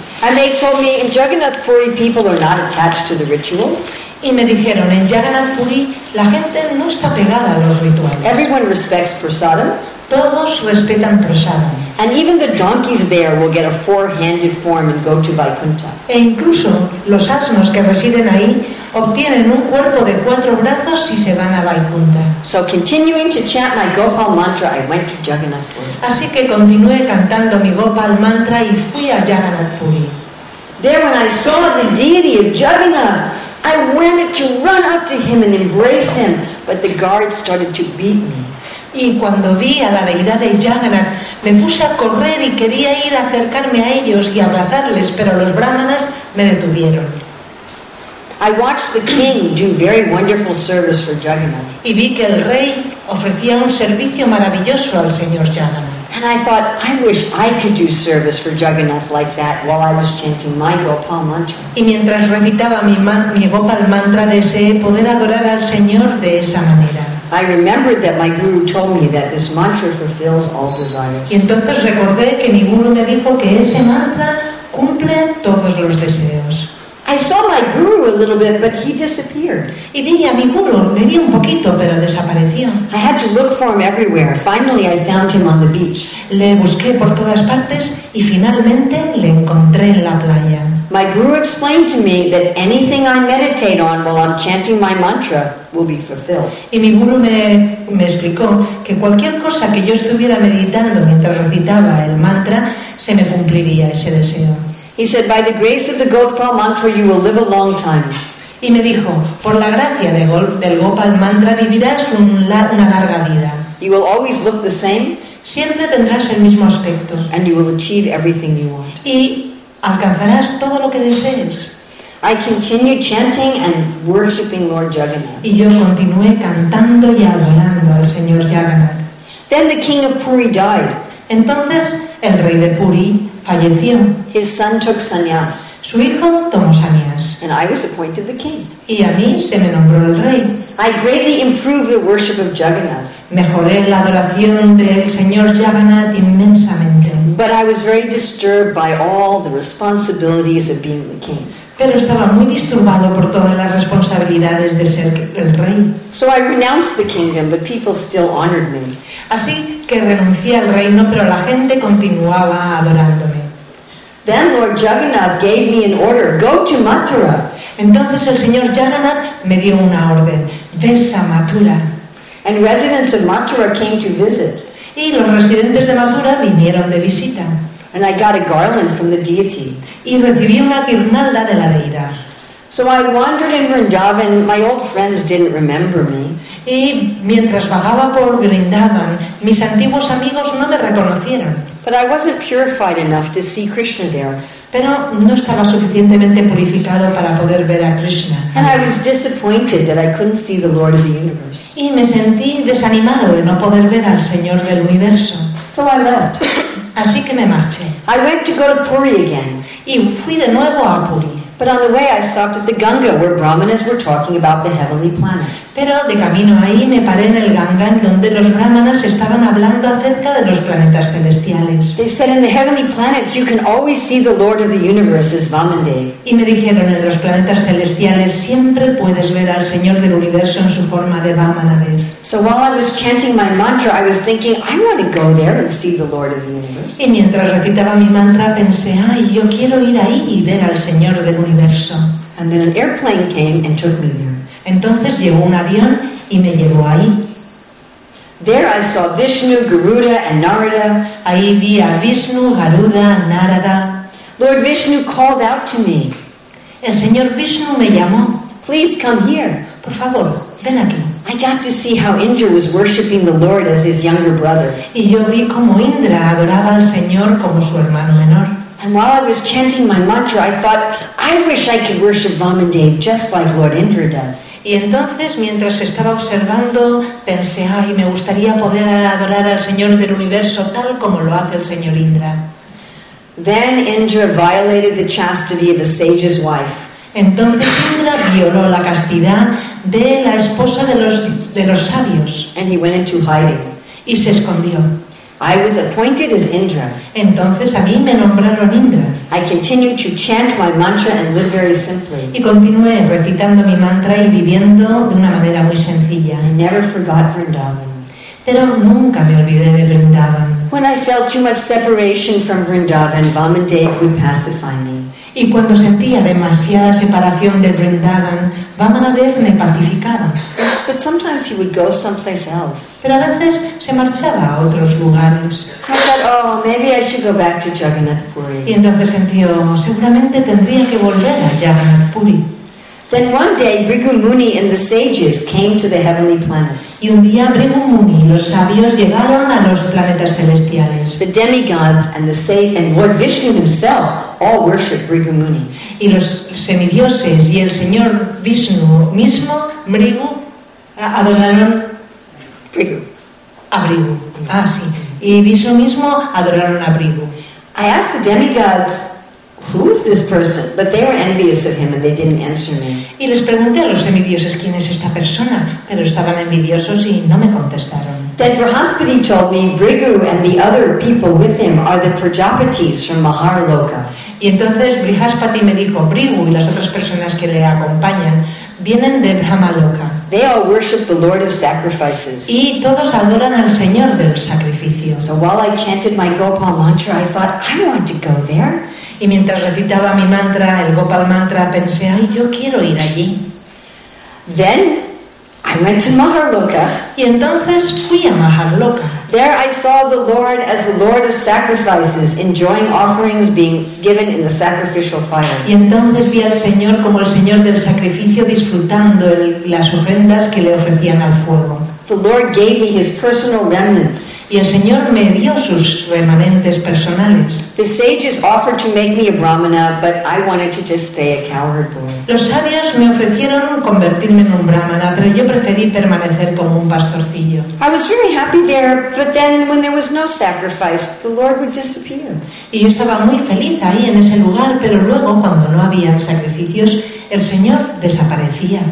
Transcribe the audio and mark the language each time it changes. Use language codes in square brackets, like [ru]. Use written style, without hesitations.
[en] And they told me, "In Jagannath Puri, people are not attached to the rituals." [es] Y me dijeron, "En Jagannath Puri, la gente no está pegada a los rituales." [en] Everyone respects prasadam. [es] Todos respetan prasadam. [en] And even the donkeys there will get a four-handed form and go to Vaikuntha. [es] E incluso los asnos que residen ahí obtienen un cuerpo de cuatro brazos si se van a Vaikuntha. [en] So continuing to chant my Gopal mantra, I went to Jagannath Puri. [es] Así que continué cantando mi Gopal mantra y fui a Jagannath Puri. [en] There when I saw the deity of Jagannath, I wanted to run up to him and embrace him, but the guards started to beat me. [es] Y cuando vi a la deidad de Jagannath, me puse a correr y quería ir a acercarme a ellos y abrazarles, pero los brahmanas me detuvieron. [en] I watched the king do very wonderful service for Jagannath. [es] Y vi que el rey ofrecía un servicio maravilloso al señor Jagannath. [en] And I thought, "I wish I could do service for Jagannath like that," while I was chanting my Gopal mantra. [es] Y mientras recitaba mi Gopal mantra, deseé poder adorar al señor de esa manera. [en] I remembered that my guru told me that this mantra fulfills all desires. [es] Y entonces recordé que mi guru me dijo que ese mantra cumple todos los deseos. [en] I saw my guru a little bit, but he disappeared. [es] Y vi a mi guru, me vi un poquito, pero desapareció. [en] I had to look for him everywhere. Finally, I found him on the beach. [es] Le busqué por todas partes y finalmente le encontré en la playa. [en] My guru explained to me that anything I meditate on while I'm chanting my mantra will be fulfilled. [es] Y mi guru me explicó que cualquier cosa que yo estuviera meditando mientras recitaba el mantra, se me cumpliría ese deseo. [en] He said, "By the grace of the Gopal mantra, you will live a long time." [es] Y me dijo, "Por la gracia del Gopal mantra, vivirás una larga vida." [en] You will always look the same. [es] Siempre tendrás el mismo aspecto. [en] And you will achieve everything you want. [es] Y alcanzarás todo lo que desees. [en] I continued chanting and worshiping Lord Jagannath. [es] Y yo continué cantando y adorando al señor Jagannath. [en] Then the king of Puri died. [es] Entonces el rey de Puri falleció. [en] His son took sannyas. [es] Su hijo tomó sannyas. [en] And I was appointed the king. [es] Y a mí se me nombró el rey. [en] I greatly improved the worship of Jagannath. [es] Mejoré la adoración del señor Jagannath inmensamente. [en] But I was very disturbed by all the responsibilities of being the king. [es] pero estaba muy disturbado por todas las responsabilidades de ser el rey. [en] So I renounced the kingdom, but people still honored me. [es] Así que renuncié al reino, pero la gente continuaba adorándome. [en] Then Lord Jagannath gave me an order, go to Mathura. [es] Entonces el señor Jagannath me dio una orden, ves a Mathura. [en] And residents of Mathura came to visit. [es] Y los residentes de Mathura vinieron de visita. [en] And I got a garland from the deity. [es] Y recibí una guirnalda de la deidad. [en] So I wandered in Vrindavan, my old friends didn't remember me. [es] Y mientras vagaba por Vrindavan, mis antiguos amigos no me reconocieron. [en] But I wasn't purified enough to see Krishna there. [es] Pero no estaba suficientemente purificado para poder ver a Krishna. [en] And I was disappointed that I couldn't see the Lord of the universe. [es] Y me sentí desanimado de no poder ver al Señor del universo. [en] So I left. [es] Así que me marché. [en] I went to go to Puri again. [es] Y fui de nuevo a Puri. [en] But on the way I stopped at the Ganga where Brahmanas were talking about the heavenly planets. [es] Pero de camino ahí me paré en el Ganga donde los Brahmanas estaban hablando acerca de los planetas celestiales. [en] They said in the heavenly planets you can always see the Lord of the universe as Vamadeva. [es] Y me dijeron en los planetas celestiales siempre puedes ver al Señor del universo en su forma de Vamadeva. [en] So while I was chanting my mantra I was thinking I want to go there and see the Lord of the universe. [es] Y mientras recitaba mi mantra pensé, ay, yo quiero ir ahí y ver al Señor del universo. [en] And then an airplane came and took me there. [es] Entonces llegó un avión y me llevó ahí. [en] There I saw Vishnu, Garuda and Narada. [es] Ahí vi a Vishnu, Garuda, Narada. [en] Lord Vishnu called out to me. [es] El Señor Vishnu me llamó. [en] Please come here. [es] Por favor, ven aquí. [en] I got to see how Indra was worshiping the Lord as his younger brother. [es] Y yo vi cómo Indra adoraba al Señor como su hermano menor. [en] And while I was chanting my mantra, I thought, I wish I could worship Vamadeva just like Lord Indra does. [es] Y entonces, mientras estaba observando, pensé, ay, me gustaría poder adorar al Señor del universo tal como lo hace el Señor Indra. [en] Then Indra violated the chastity of a sage's wife. [es] Entonces Indra violó la castidad de la esposa de los sabios. [en] And he went into hiding. [es] Y se escondió. [en] I was appointed as Indra. [es] Entonces a mí me nombraron Indra. [en] I continued to chant my mantra and live very simply. [es] Y continué recitando mi mantra y viviendo de una manera muy sencilla. [en] I never forgot Vrindavan. [es] Pero nunca me olvidé de Vrindavan. [en] When I felt too much separation from Vrindavan, Vamadeva would pacify me. [es] Y cuando sentía demasiada separación de Vrindavan, Vamadev me pacificaba. [en] But sometimes he would go someplace else. [es] Pero a veces se marchaba a otros lugares. [en] I thought, oh, maybe I should go back to Jagannath Puri. [es] Y entonces sentía, seguramente tendría que volver a Jagannath Puri. [en] Then one day, Bhrigu Muni and the sages came to the heavenly planets. [es] Y un día Bhrigu Muni y los sabios llegaron a los planetas celestiales. [en] The demigods and the sage and Lord Vishnu himself all worshipped Bhrigu Muni. [es] Y los semidioses y el señor Vishnu mismo, Bhrigu, adoraron [en] Bhrigu. [es] A Bhrigu. Ah, sí. Y Vishnu mismo adoraron a Bhrigu. [en] I asked the demigods, who is this person? But they were envious of him and they didn't answer me. [es] Y les pregunté a los semidioses quién es esta persona, pero estaban envidiosos y no me contestaron. [en] Then Brahaspati told me Bhrigu and the other people with him are the Prajapatis from Maharloka. [es] Y entonces Brihaspati me dijo, Bhrigu y las otras personas que le acompañan vienen de Brahmaloka. [en] They all worship the Lord of Sacrifices. [es] Y todos adoran al Señor del Sacrificio. [en] So while I chanted my Gopal mantra, I thought, I want to go there. [es] Y mientras recitaba mi mantra, el Gopal mantra, pensé, ay, yo quiero ir allí. [en] Then I went to Maharloka. [es] Y entonces fui a Maharloka. [en] There I saw the Lord as the Lord of Sacrifices, enjoying offerings being given in the sacrificial fire. [es] Y entonces vi al Señor como el Señor del sacrificio, disfrutando las ofrendas que le ofrecían al fuego. [en] The Lord gave me his personal remnants. [es] Y el Señor me dio sus remanentes personales. [en] The sages offered to make me a brahmana, but I wanted to just stay a cowherd boy. [es] Los sabios me ofrecieron convertirme en un brahmana, pero yo preferí permanecer como un pastorcillo. [en] I was very happy there, but then when there was no sacrifice, the Lord would disappear. [es] Y yo estaba muy feliz ahí en ese lugar, pero luego cuando no había sacrificios, el Señor desaparecía.